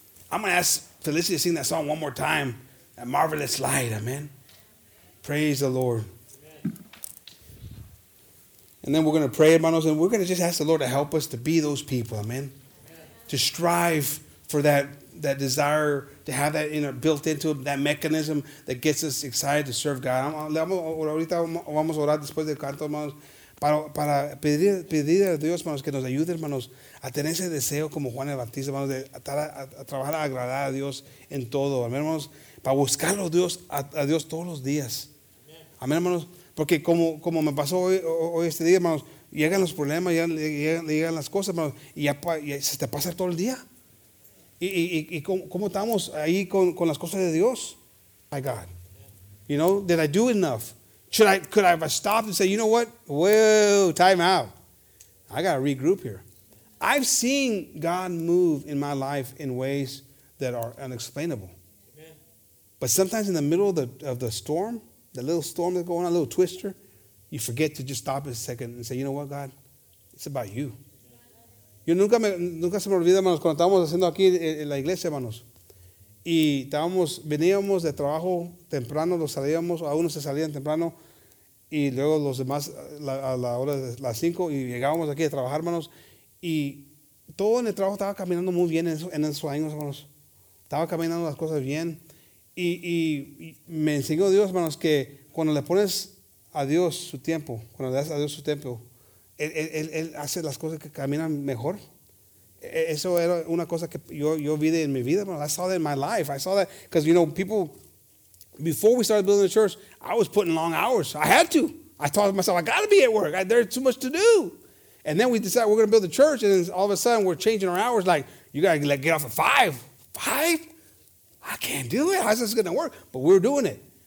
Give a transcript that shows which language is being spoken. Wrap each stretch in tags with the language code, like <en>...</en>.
<en>I'm going to ask Felicity to sing that song one more time. That marvelous light, amen. Praise the Lord. Amen. And then we're going to pray, hermanos, and we're going to just ask the Lord to help us to be those people, amen. To strive for that that desire to have that in a, built into that mechanism that gets us excited to serve God.</en> <es>Ahorita vamos a orar después del canto, hermanos, para pedir a Dios, hermanos, que nos ayude, hermanos, a tener ese deseo como Juan el Bautista, hermanos, de trabajar a agradar a Dios en todo, hermanos, para buscarlo a Dios todos los días. Amén, hermanos, porque como me pasó hoy este día, hermanos, llegan los problemas, llegan las cosas, hermanos, y ya se te pasa todo el día. Y cómo estamos ahí con las cosas de Dios?</es> <en>My God, you know, did I do enough? Could I have stopped and said, you know what? Well, time out. I got to regroup here. I've seen God move in my life in ways that are unexplainable. But sometimes in the middle of the storm, the little storm that's going on, a little twister, you forget to just stop a second and say, you know what, God? It's about you.</en> <es>Yo nunca se me olvida, hermanos, cuando estábamos haciendo aquí en la iglesia, hermanos. Y veníamos de trabajo temprano, los salíamos, a unos se salían temprano, y luego los demás a la hora de las 5, y llegábamos aquí a trabajar, hermanos. Y todo en el trabajo estaba caminando muy bien en esos años, hermanos. Estaba caminando las cosas bien. Y me enseñó Dios, hermanos, que cuando le pones a Dios su tiempo, cuando le das a Dios su tiempo, Él hace las cosas que caminan mejor. Eso era una cosa que yo vi en mi vida.</es> <en>I saw that in my life. I saw that because, you know, people, before we started building the church, I was putting long hours. I had to. I told myself, I got to be at work. There's too much to do. And then we decided we're going to build the church. And all of a sudden, we're changing our hours. Like, you got to get off at 5. 5? I can't do it. How's this going to work? But we're doing it.</en>